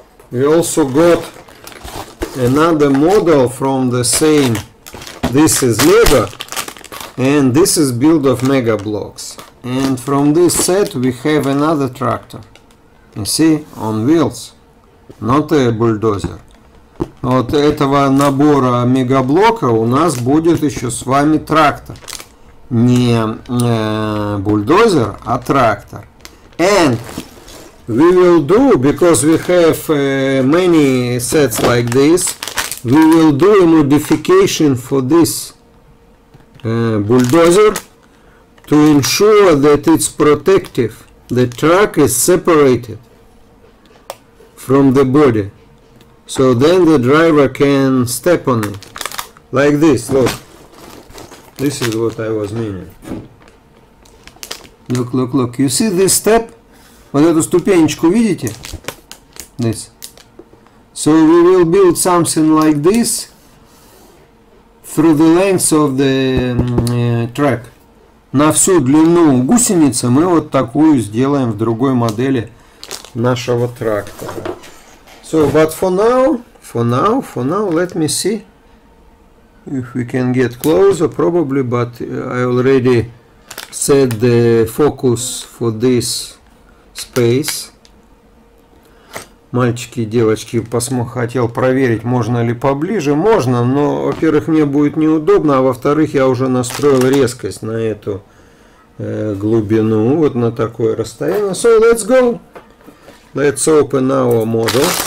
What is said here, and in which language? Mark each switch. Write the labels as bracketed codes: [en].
[en] We also got another model from the same. This is Lego, and this is build of Mega Blocks. And from this set we have another tractor. You see, on wheels, not a bulldozer. [ru] От этого набора мегаблока у нас будет еще с вами трактор. Не бульдозер, а трактор. [en] And we will do, because we have many sets like this, we will do a modification for this bulldozer to ensure that it's protective. The truck is separated from the body. So then the driver can step on it. Like this, look. This is what I was meaning. Look, look, look. You see this step? [ru] Вот эту ступенечку видите? [en] This. So we will build something like this through the length of the track. [ru] На всю длину гусеницы мы вот такую сделаем в другой модели нашего трактора. [en] So, but for now, let me see if we can get closer, probably, but I already set the focus for this space. [ru] Мальчики, девочки, хотел проверить, можно ли поближе. Можно, но, во-первых, мне будет неудобно, а во-вторых, я уже настроил резкость на эту глубину, вот на такое расстояние. [en] So, let's go. Let's open our model.